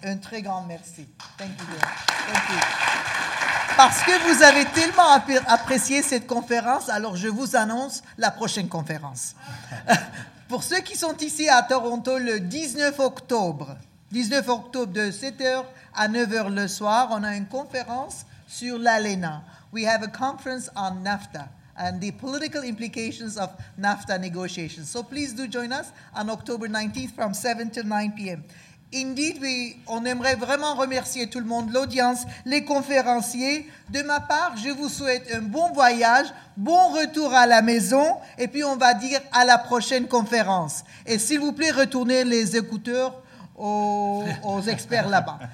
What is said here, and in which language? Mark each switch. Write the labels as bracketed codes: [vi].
[fr] Un très grand merci. [en] Thank you. Thank you. [fr] Parce que vous avez tellement apprécié cette conférence, alors je vous annonce la prochaine conférence. Pour ceux qui sont ici à Toronto le 19 octobre de 7h à 9h le soir, on a une conférence sur l'ALENA. [en] We have a conference on NAFTA and the political implications of NAFTA negotiations. So please do join us on October 19th from 7 to 9 p.m. [fr] Indeed, on aimerait vraiment remercier tout le monde, l'audience, les conférenciers. De ma part, je vous souhaite un bon voyage, bon retour à la maison, et puis on va dire à la prochaine conférence. Et s'il vous plaît, retournez les écouteurs aux experts là-bas.